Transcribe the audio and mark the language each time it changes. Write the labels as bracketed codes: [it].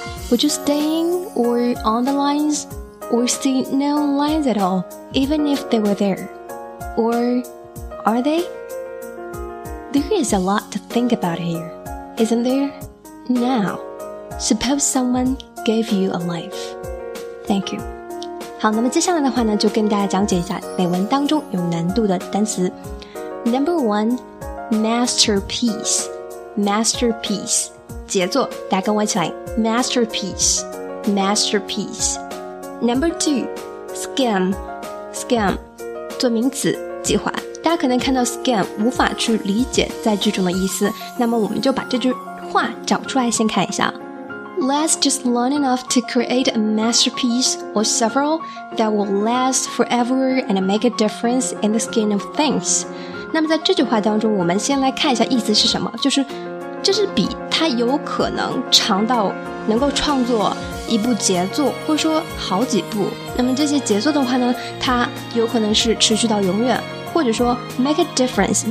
[en] Would you stay in or on the lines, or see no lines at all, even if they were there? Or are they? There is a lot to think about here, isn't there? Now, suppose someone gave you a life. Thank you. [zh] 好，那么接下来的话呢，就跟大家讲解一下美文当中有难度的单词。 [en] Number one, masterpiece, masterpiece, 杰作， [zh] 大家跟我一起来 [en] ，masterpiece, masterpiece. Number two, scheme, scheme, 做名词，计划。 [zh] 大家可能看到 scheme 无法去理解在句中的意思，那么我们就把这句话找出来先看一下。 [en] Last just long enough to create a masterpiece or several that will last forever and make a difference in the scheme of things. [zh] 那么在这句话当中，我们先来看一下意思是什么，就是这支笔它有可能长到能够创作一部杰作，或者说好几部。那么这些杰作的话呢，它有可能是持续到永远，或者说 [en] make a difference.